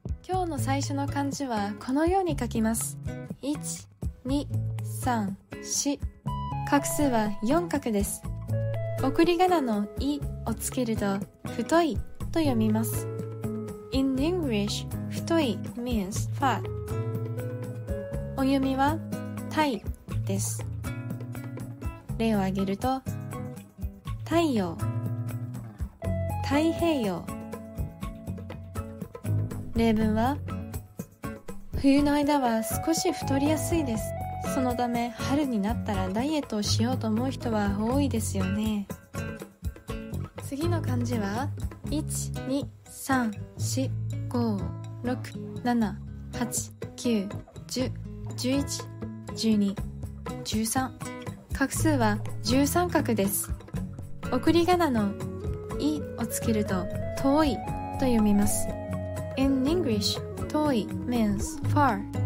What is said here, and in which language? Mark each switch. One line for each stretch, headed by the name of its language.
Japanese: 今日の最初の漢字はこのように書きます。1、2、3、4、画数は4画です。送り仮名のイをつけると太いと読みます。
English: In English 太い means fat。
Japanese: お読みはタイです。例を挙げると、太陽、太平洋。例文は、冬の間は少し太りやすいです。そのため春になったらダイエットをしようと思う人は多いですよね。次の漢字は 1、2、3、4、5、6、7、8、9、10、11、12、13、画数は13画です。送り仮名のイをつけると遠いと読みます。
English: In English 遠い means far。